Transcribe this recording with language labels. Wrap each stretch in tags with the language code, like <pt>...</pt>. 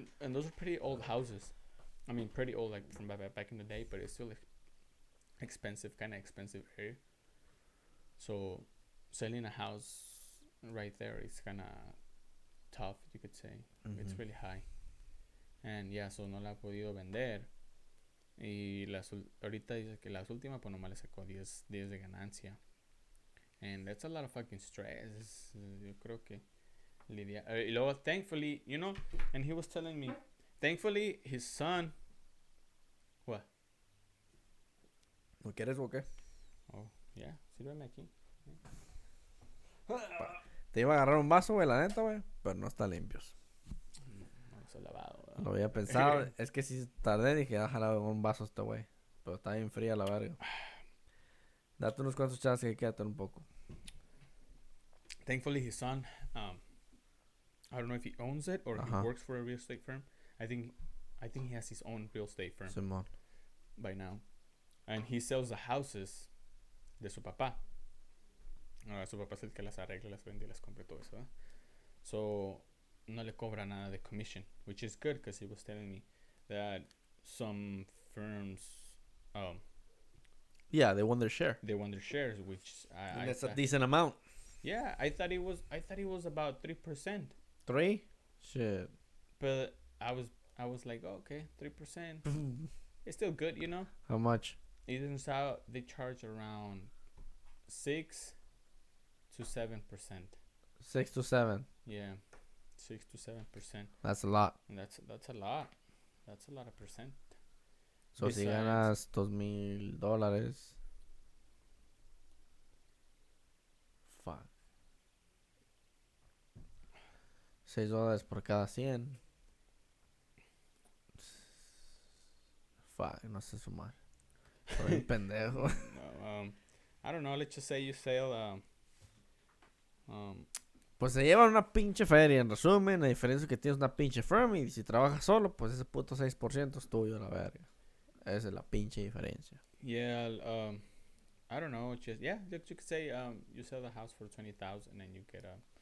<en>And those are pretty old houses. I mean, pretty old, like, from back in the day, but it's still expensive, kind of expensive area. So, selling a house right there is kind of tough, you could say. It's really high. And yeah, so</en> <es>no la ha podido vender. Y ahorita dice que las últimas, pues nomás le sacó 10 de ganancia.</es> <en>And that's a lot of fucking stress.</en> <es>Yo creo que Lidia. Y luego,</es> <en>thankfully, you know, and he was telling me, thankfully, his son. What?</en> <es>¿Lo quieres o qué? Oh, yeah, sírveme aquí.</es> <en>Yeah.</en> <es>Te iba a agarrar un vaso, güey, la neta, güey, pero no está limpios. Lavado, ¿no? Lo había pensado. Es que si tardé, dije, ojalá un vaso este güey. Pero está bien fría la verga. Date unos cuantos chavos que quédate un poco.</es> <en>Thankfully, his son, I don't know if he owns it or he works for a real estate firm. I think he has his own real estate firm.</en> <es>Simón.</es> <en>By now. And he sells the houses</en> <es>de su papá. Su papá es el que las arregla, las vende y las compra todo eso, ¿eh?</es> <en>So,</en> <es>no le cobra nada de</es> <en>commission, which is good, because he was telling me that some firms, they want their shares, which that's a decent amount. Yeah, I thought it was about 3%. Three? Shit. But I was like, oh, okay, 3%. It's still good, you know? How much? It turns out they charge around 6 to 7%. 6 to 7? Yeah. 6 to 7%. That's a lot. That's a lot. That's a lot of percent. So besides,</en> <es>si ganas $2,000.</es> <en>Fuck.</en> <es>$6 por cada 100. Fuck, no sé sumar. Soy un pendejo.</es> <en>I don't know, let's just say you sell.</en> <es>Pues se llevan una pinche feria, en resumen, a diferencia que tienes una pinche firm y si trabajas solo, pues ese puto 6% es tuyo, la verga. Esa es la pinche diferencia.</es> <en>Yeah, I don't know, just, yeah, you could say you sell the house for $20,000 and then you get a...</en>